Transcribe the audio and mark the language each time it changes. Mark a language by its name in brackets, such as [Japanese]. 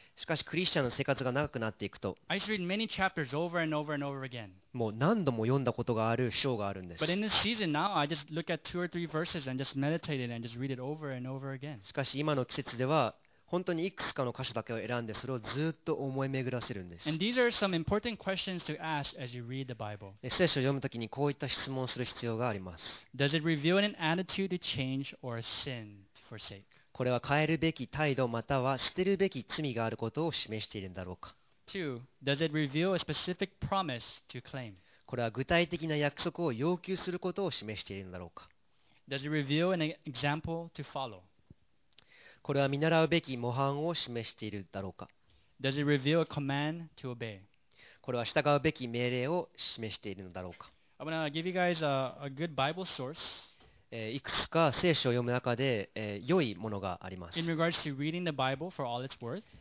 [Japanese] しかしクリスチャンの生活が長くなっていくと、 [English] I used to read many chapters over and over and over again. [Japanese] もう何度も読んだことがある章があるんです。 [English] But in this season now, I just look at two or three verses and just meditate and just read it over and over again. [Japanese] しかし今の季節では、本当にいくつかの箇所だけを選んでそれをずっと思い巡らせるんです。 [English] And these are some important questions to ask as you read the Bible. [Japanese] 聖書を読むときにこういった質問をする必要があります。 [English] Does it reveal an attitude to change or a sin to forsake? [Japanese] これは変えるべき態度または捨てるべき罪があることを示しているんだろうか。 [English] Two, does it reveal a specific promise to claim? [Japanese] これは具体的な約束を要求することを示しているんだろうか。 [English] Does it reveal an example to follow? [Japanese] これは見習うべき模範を示しているだろうか。 [English] Does it reveal a command to obey? [Japanese] これは従うべき命令を示しているのだろうか。 [English] I'm gonna give you guys a good Bible source. [Japanese] いくつか聖書を読む中で、良いものがあります。 [English] In regards to reading the Bible for all its worth.